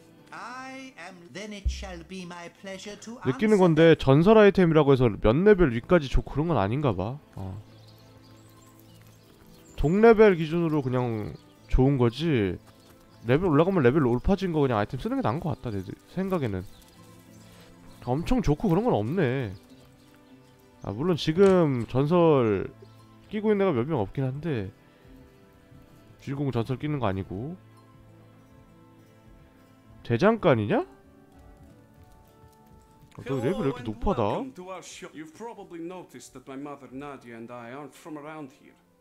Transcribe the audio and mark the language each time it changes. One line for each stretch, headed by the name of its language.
English: I am then it shall be my pleasure to answer.
Korean: 느끼는 건데 전설 아이템이라고 해서 몇 레벨 위까지 좋고 그런 건 아닌가 봐. 어. 동레벨 기준으로 그냥 좋은 거지. 레벨 올라가면 레벨 높아진 거 그냥 아이템 쓰는 게 나은 거 같다 내 생각에는. 엄청 좋고 그런 건 없네. 아, 물론 지금 전설 끼고 있는 애가 몇 명 없긴 한데 주인공 전설 끼는 거 아니고 대장간이냐? 어떻게 레벨이 이렇게 높아다?
English: You've probably noticed that my mother Nadia and I aren't from around here.